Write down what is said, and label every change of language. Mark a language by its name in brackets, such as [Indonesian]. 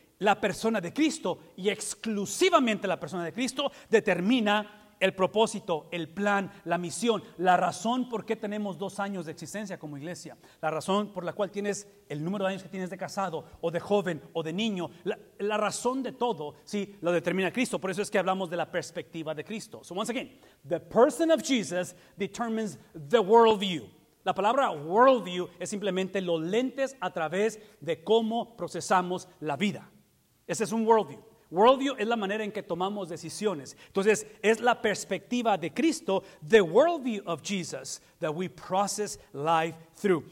[Spanish] La persona de Cristo y exclusivamente la persona de Cristo determina el propósito, el plan, la misión, la razón por qué tenemos 2 años de existencia como iglesia, la razón por la cual tienes el número de años que tienes de casado o de joven o de niño, la razón de todo, sí, lo determina Cristo. Por eso es que hablamos de la perspectiva de Cristo. [English] So once again, the person of Jesus determines the worldview. [Spanish] La palabra worldview es simplemente los lentes a través de cómo procesamos la vida. Ese es un worldview. Worldview es la manera en que tomamos decisiones. Entonces, es la perspectiva de Cristo, [English] the worldview of Jesus, that we process life through.